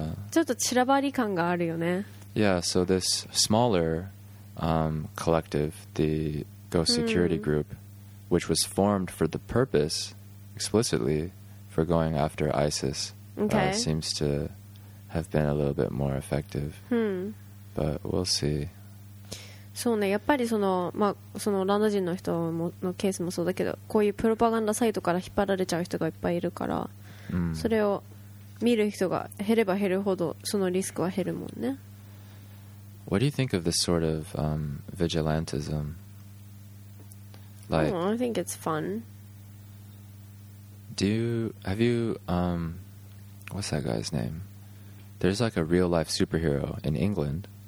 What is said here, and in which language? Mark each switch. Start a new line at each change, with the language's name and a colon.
Japanese: ちょっと散らばり感があるよね。
English: Yeah, so this smaller collective, the Ghost Security Group, which was formed for the purpose, explicitly, for going after ISIS, seems to have been a little bit more effective. But we'll see.
Japanese: そうね、やっぱりその、まあ、そのオランダ人の人のケースもそうだけど、こういうプロパガンダサイトから引っ張られちゃう人がいっぱいいるから、それを見る人が減れば減るほどそのリスクは減るもんね。
English: What do you think of this sort of vigilantism? Like, I think it's fun. Have you what's that guy's name? There's like a real life superhero in England.